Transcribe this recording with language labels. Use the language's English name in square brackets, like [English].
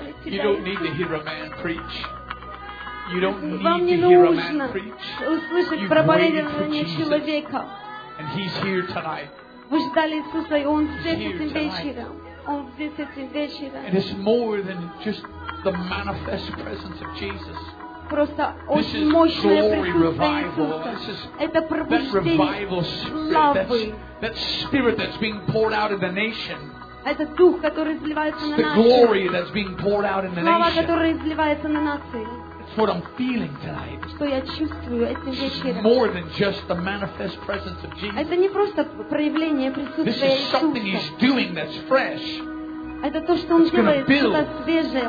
[English] You don't need to hear a man preach. You don't need to hear a man preach. You've waited for Jesus. And He's here tonight. He's here tonight. And it's more than just the manifest presence of Jesus. [Russian] Просто очень мощное присутствие. Это пробуждение славы. [English] That spirit that's being poured out in the nation. [Russian] Это дух, который изливается на нас. [English] The glory that's being poured out in the nation. [Russian] Слава, которая изливается на нации. [English] It's what I'm feeling tonight. [Russian] Что я чувствую этим вечером. [English] It's more than just the manifest presence of Jesus. [Russian] Это не просто проявление присутствия Иисуса. [English] This is something He's doing that's fresh. [Russian] Это то, что Он делает, что-то свежее.